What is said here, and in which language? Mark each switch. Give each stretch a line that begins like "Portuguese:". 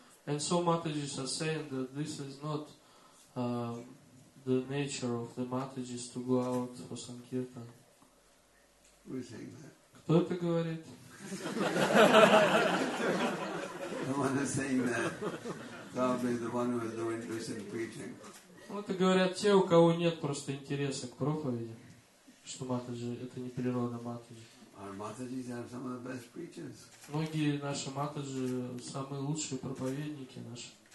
English: And so Mataji are saying that this is not the nature of the Mataji to go out for Sankirtan.
Russian: Кто это говорит?
English: Someone is saying that. Probably the one who has no interest in preaching.
Russian: Вот и говорят те, у кого нет просто интереса к проповеди, что Матаджи это не природа Матаджи.
English: Our Matajis are some of the best preachers.
Russian: Многие наши Матаджи самые лучшие проповедники наши.